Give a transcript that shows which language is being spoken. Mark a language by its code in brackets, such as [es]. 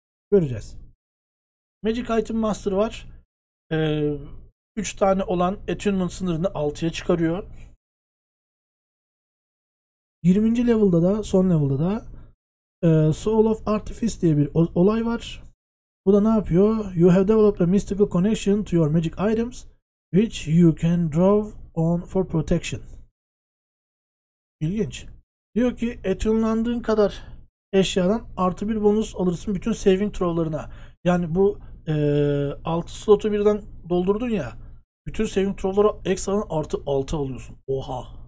[tr] Göreceğiz. Magic Item Master var. 3 tane olan Attunement sınırını 6'ya çıkarıyor. 20. level'da da, son level'da da Soul of Artifice diye bir olay var. Bu da ne yapıyor? [en] You have developed a mystical connection to your magic items, which you can draw on for protection. [tr] İlginç. Diyor ki, attunelandığın kadar eşyadan artı bir bonus alırsın bütün saving throw'larına. Yani bu 6 slotu birden doldurdun ya, bütün saving throw'lara ekstradan artı 6 alıyorsun. Oha.